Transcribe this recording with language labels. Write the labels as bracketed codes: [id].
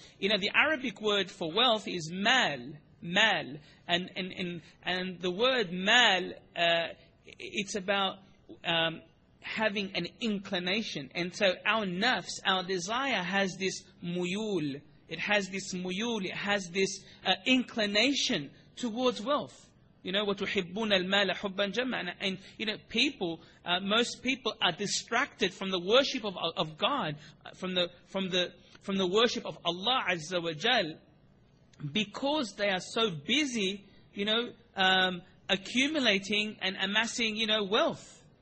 [en] You know, the Arabic word for wealth is mal, and the word mal, it's about having an inclination. And so our nafs, our desire has this muyul. It has this muyul, it has this inclination towards wealth. You know, [ar] وَتُحِبُّونَ الْمَالَ حُبًّا جَمَّا. [en] And, you know, people, most people are distracted from the worship of God, from the worship of Allah Azza wa Jal, because they are so busy, you know, accumulating and amassing, you know, wealth.